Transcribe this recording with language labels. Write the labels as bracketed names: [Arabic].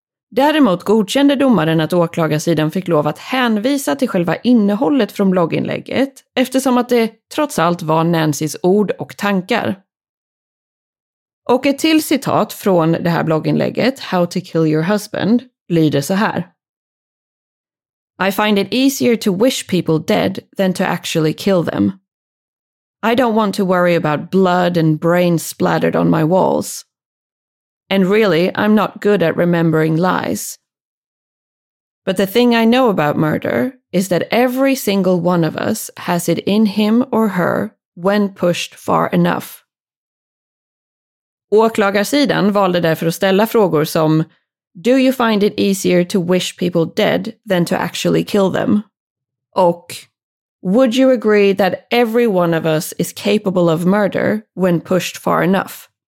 [Swedish] Däremot godkände domaren att åklagarsidan fick lov att hänvisa till själva innehållet från blogginlägget eftersom att det trots allt var Nancys ord och tankar. Och ett till citat från det här blogginlägget, How to kill your husband, lyder så här. [English] I find it easier to wish people dead than to actually kill them. I don't want to worry about blood and brain splattered on my walls. And really, I'm not good at remembering lies. But the thing I know about murder is that every single one of us has it in him or her when pushed far enough. [Swedish] Åklagarsidan valde därför att ställa frågor som: [English] Do you find it easier to wish people dead than to actually kill them? [Swedish] Och: [English] Would you agree that every one of us is capable of murder when pushed far enough?